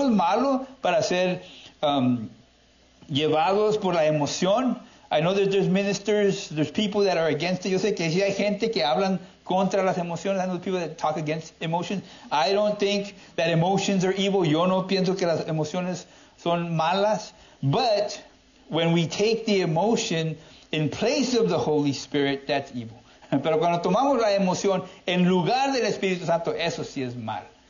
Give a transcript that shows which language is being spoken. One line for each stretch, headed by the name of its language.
Spanish: No es malo para ser llevados por la emoción.
English: I know that there's ministers, there's people that are against it.
Spanish: Yo sé que sí hay gente que hablan contra las emociones.
English: I know people that talk against emotions. I don't think that emotions are evil.
Spanish: Yo no pienso que las emociones son malas.
English: But when we take the emotion in place of the Holy Spirit, that's evil.
Spanish: Pero cuando tomamos la emoción en lugar del Espíritu Santo, eso sí es mal.